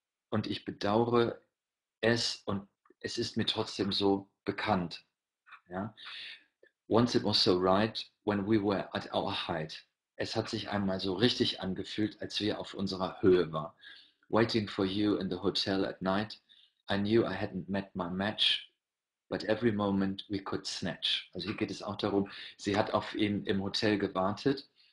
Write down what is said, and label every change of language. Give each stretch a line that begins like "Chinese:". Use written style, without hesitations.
German: Und ich bedauere es und es ist mir trotzdem so bekannt. Ja?
English: Once it was so right when we were at our height.
German: Es hat sich einmal so richtig angefühlt, als wir auf unserer Höhe waren.
English: Waiting for you in the hotel at night, I knew I hadn't met my match, but every moment we could snatch.
German: Also hier geht es auch darum, sie hat auf ihn im Hotel gewartet.